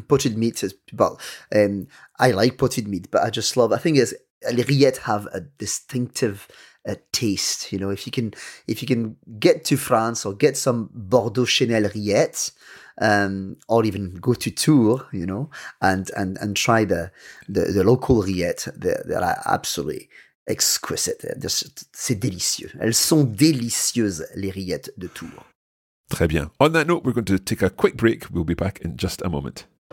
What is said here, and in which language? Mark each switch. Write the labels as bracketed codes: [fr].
[en] Potted meat is, well, I like potted meat, but I just love, I think it's, les rillettes have a distinctive taste. You know, if you can get to France or get some Bordeaux Chenal rillettes, or even go to Tours, you know, and try the local rillettes, they're absolutely exquisite. [fr] C'est délicieux. Elles sont délicieuses, les rillettes de Tours. Très bien. [en] On that note, we're going to take a quick break. We'll be back in just a moment.